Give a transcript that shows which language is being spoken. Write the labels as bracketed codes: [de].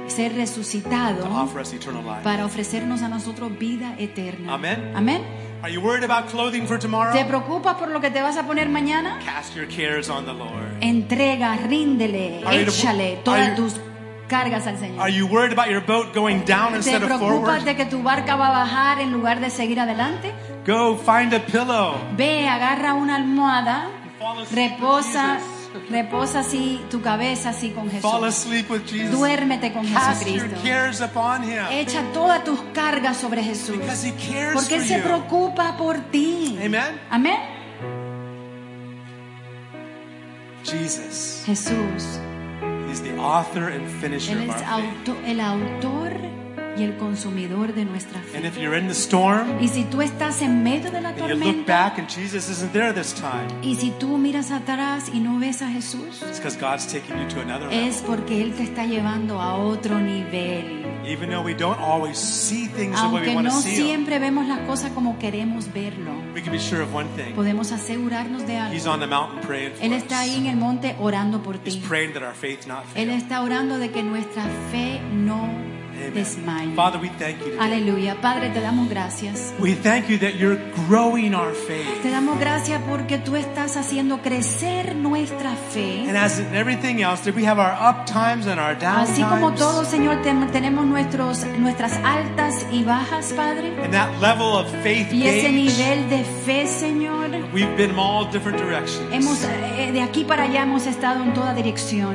[es] Ser resucitado. [en] To offer us eternal life. [es] Para ofrecernos a nosotros vida eterna. [en] Amen. [es] Amen. [en] Are you worried about clothing for tomorrow? [es] ¿Te preocupas por lo que te vas a poner mañana? [en] Cast your cares on the Lord. [es] Entrega, ríndele, échale todas tus cargas al Señor. [en] Are you worried about your boat going down instead of forward? [es] ¿Te preocupas de que tu barca va a bajar en lugar de seguir adelante? [en] Go find a pillow. [es] Ve, agarra una almohada. Reposa así tu cabeza así con Jesús. [en] Fall asleep with Jesus. [es] Duérmete con Jesucristo. [en] Cast your cares upon him. [es] Echa todas tus cargas sobre Jesús. [en] Because he cares [es] porque [en] for [es] se [en] you. [es] Preocupa por ti. [en] Amen. [es] Amen. [en] Jesus. [es] Jesús. [en] He's the author and finisher [es] él es [en] of our faith. [es] El autor y el consumidor de nuestra fe. [en] And if you're in the storm, [es] y si tú estás en medio de la tormenta, [en] and you look back and Jesus isn't there this time, [es] y si tú miras atrás y no ves a Jesús, [en] it's because God's taking you to another level. [es] Es porque Él te está llevando a otro nivel. [en] Even though we don't always see things the way we want to see them, [es] aunque no siempre vemos las cosas como queremos verlo, [en] we can be sure of one thing. [es] Podemos asegurarnos de algo. [en] He's on the mountain praying for [es] Él está [en] us. [es] Ahí en el monte orando por [en] He's [es] ti. [en] Praying that our faith not fail. [es] Él está orando de que nuestra fe no [en] Amen. Father, we thank you today. [es] Aleluya. Padre, te damos gracias. [en] We thank you that you're growing our faith. [es] Te damos gracias porque tú estás haciendo crecer nuestra fe. [en] And as in everything else, that we have our up times and our down times. [es] Así como todo, Señor, tenemos nuestras altas y bajas, Padre. [en] And that level of faith [es] y ese nivel de fe, Señor. [en] We've been in all different directions. [es] Hemos de aquí para allá hemos estado en toda dirección.